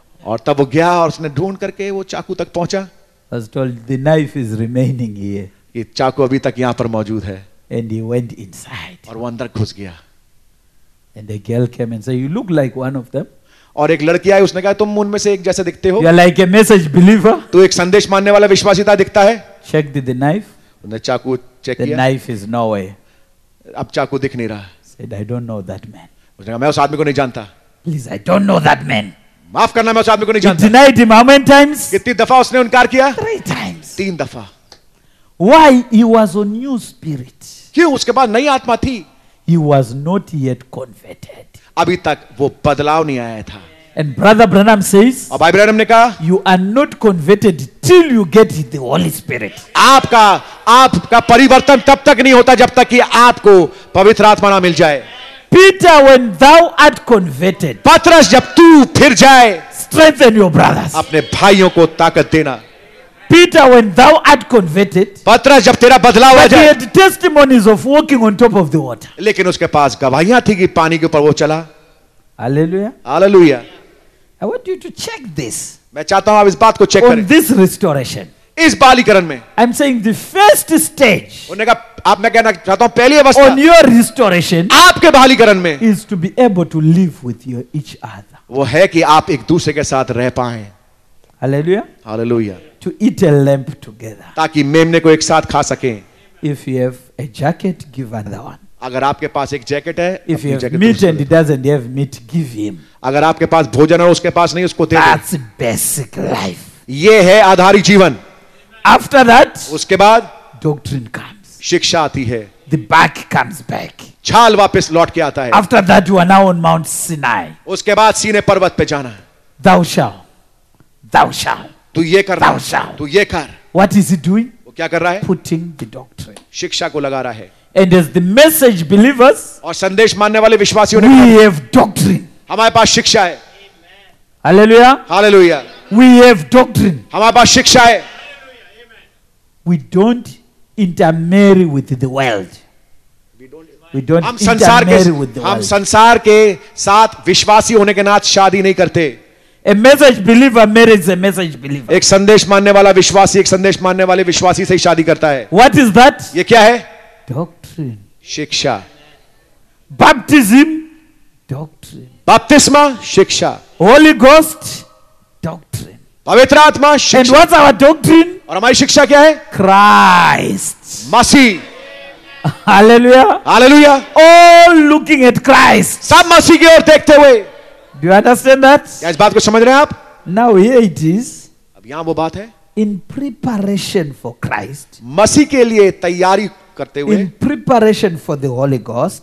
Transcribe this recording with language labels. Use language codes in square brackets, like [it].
[hi] और तब वो गया और उसने ढूंढ करके वो चाकू तक पहुंचा. [en] I was told the knife is remaining here. [hi] ये चाकू अभी तक यहाँ पर मौजूद है. [en] And he went inside. [hi] और वो अंदर घुस गया. [en] And a girl came and said, "You look like one of them." [hi] और एक लड़की आई उसने कहा तुम उनमें से एक जैसे दिखते हो. [en] You are like a message believer. [hi] तू एक संदेश मानने वाला विश्वासी था दिखता है. [en] Check the knife. [hi] उन्हें चाकू चेक किया. [en] The knife is nowhere. [hi] अब चाकू दिख नहीं रहा. [en] Said I don't know that man. [hi] उसने कहा मैं उस आदमी को नहीं जानता. [en] Please I don't know that man. [hi] माफ करना मैं उस आदमी को नहीं जानता. [en] He denied him how many times? [hi] कितनी दफा उसने इनकार किया? [en] Three times. [hi] तीन दफा. [en] Why he was a new spirit? [hi] क्यों उसके पास नई आत्मा थी? [en] He was not yet converted. [hi] अभी तक वो बदलाव नहीं आया था. [en] And Brother Branham says, [hi] और भाई ब्रैनम ने कहा, [en] you are not converted till you get the Holy Spirit. [hi] आपका परिवर्तन तब तक नहीं होता जब तक कि आपको पवित्र आत्मा ना मिल जाए. [en] Peter, when thou art converted, [hi] पत्रस जब तू फिर जाए, [en] strengthen your brothers. [hi] अपने भाइयों को ताकत देना. [en] Peter, when thou art converted, [hi] पत्रस जब तेरा बदलाव आ जाए, [en] he had testimonies of walking on top of the water. [hi] लेकिन उसके पास गवाहियां थी कि पानी के ऊपर वो चला. [en] Hallelujah. [hi] Hallelujah. [en] I want you to check this. [hi] मैं चाहता हूँ आप इस बात को चेक करें. [en] On this restoration. [hi] इस बालीकरण में. [en] I'm saying the first stage. [hi] उन्हें कहा आप मैं कहना चाहता हूँ पहली अवस्था. [en] On your restoration. [hi] आपके बालीकरण में. [en] Is to be able to live with your each other. [hi] वो है कि आप एक दूसरे के साथ रह पाएं. [en] Hallelujah. [hi] Hallelujah. [en] To eat a lamb together. [hi] ताकि मेमने को एक साथ खा सकें. [en] If you have a jacket, give another one. [hi] अगर आपके पास एक जैकेट है, [en] if you have meat and he doesn't have meat, give him. [hi] अगर आपके पास भोजन है उसके पास नहीं उसको दे. [en] That's basic life. [hi] ये है आधारित जीवन. [en] After that, [hi] उसके बाद [en] doctrine comes. [hi] शिक्षा आती है. [en] The back comes back. [hi] छाल वापस लौट के आता है. [en] After that, you are now on Mount Sinai. [hi] उसके बाद सीने पर्वत पे जाना. [en] Thou shall. [hi] तू ये कर. [en] Thou shall. [hi] तू ये कर. [en] What is he doing? [hi] वो क्या कर रहा है? [en] Putting the doctrine. [hi] शिक्षा को लगा रहा है. [en] And as the message believers, [hi] और संदेश मानने वाले विश्वासियों ने, [en] we have doctrine. [hi] हमारे पास शिक्षा है. [en] Hallelujah. [hi] Hallelujah. [en] We have doctrine. [hi] हमारे पास शिक्षा है. [en] We don't intermarry with the world. [hi] हम संसार के साथ विश्वासी होने के नाते शादी नहीं करते. [en] A message believer marries a message believer. [hi] एक संदेश मानने वाला विश्वासी एक संदेश मानने वाले विश्वासी से ही शादी करता है. [en] What is that? [hi] ये क्या है? [en] Doctrine. [hi] शिक्षा. [en] Baptism. Doctrine. [hi] बपतिस्मा शिक्षा. [en] Holy Ghost. Doctrine. [hi] पवित्र आत्मा शिक्षा. [en] And what's our doctrine? [hi] और हमारी शिक्षा क्या है? [en] Christ. [hi] Masih. [en] Hallelujah. [hi] Hallelujah. [en] All looking at Christ. [hi] सब मसीह की ओर देखते हुए. [en] Do you understand that? [hi] क्या इस बात को समझ रहे हैं आप? [en] Now here it is. [hi] अब यहाँ वो बात है. [en] In preparation for Christ. [hi] मसीह के लिए तैयारी करते हुए. [en] In preparation for the Holy Ghost.